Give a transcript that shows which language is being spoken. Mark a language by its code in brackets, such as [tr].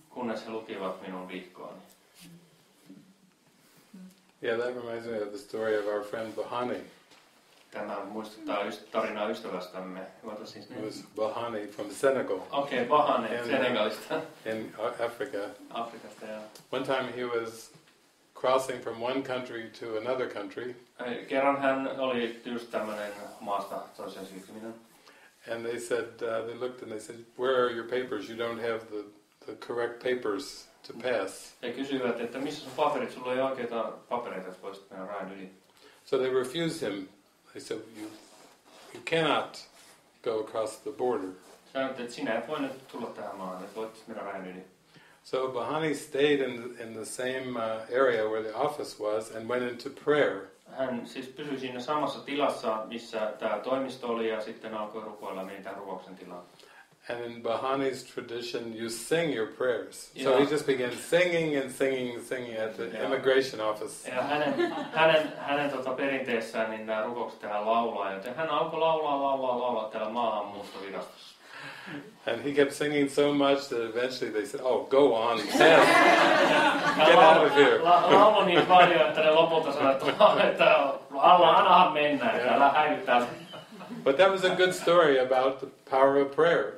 [fi] Kunnes he lukivat minun vihkooni. [en] Yeah, that reminds me of the story of our friend Bahani. [fi] Tämä muistuttaa tarinaa ystävästämme. [en] It was Bahani from Senegal. [fi] Okay, Bahani, Senegalista. [en] In Africa. [fi] Afrikasta, yeah. [en] One time he was crossing from one country to another country. [fi] Kerran hän oli just tämmöinen maasta toiseen siirtyminen. [en] And they said, they looked and they said, where are your papers? You don't have the correct papers to pass. [fi] He kysyivät, että missä sun paperit, sulla ei oikeita papereita, että voisit mennä rajan yli. [en] So they refused him. They said, you cannot go across the border. [fi] Sanoit, että sinä et voi nyt tulla tähän maahan, että voit mennä rajan yli. [en] So Bahani stayed in the same area where the office was and went into prayer. [fi] Hän siis pysyi siinä samassa tilassa, missä tämä toimisto oli, ja sitten alkoi rukoilla, meni tämän rukouksen tilaan. [en] And in Bahani's tradition, you sing your prayers. Yeah. So he just began singing and singing and singing at the immigration office. [fi] Ja hänen perinteessään niin nämä rukoukset hän laulaa, joten hän alkoi laulaa täällä maahanmuuttovirastossa. [en] And he kept singing so much that eventually they said, oh, go on, sing. Get out of here. [fi] Laulaa niin paljon, että ne lopulta sanoivat, että annahan mennä, älä häivy täällä. [en] But that was a good story about the power of prayer.